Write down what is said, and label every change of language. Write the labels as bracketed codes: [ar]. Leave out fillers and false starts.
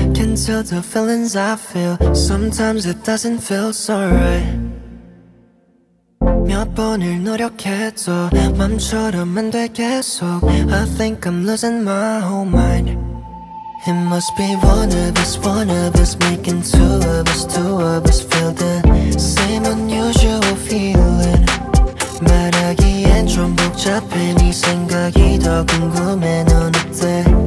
[en] Can tell the feelings I feel. Sometimes it doesn't feel so right. [ko] 몇 번을 노력해도 맘처럼 안 돼 계속. [en] I think I'm losing my whole mind. It must be one of us making two of us feel the same unusual feeling. [ko] 말하기엔 좀 복잡해. 네 생각이 더 궁금해. 넌 어때?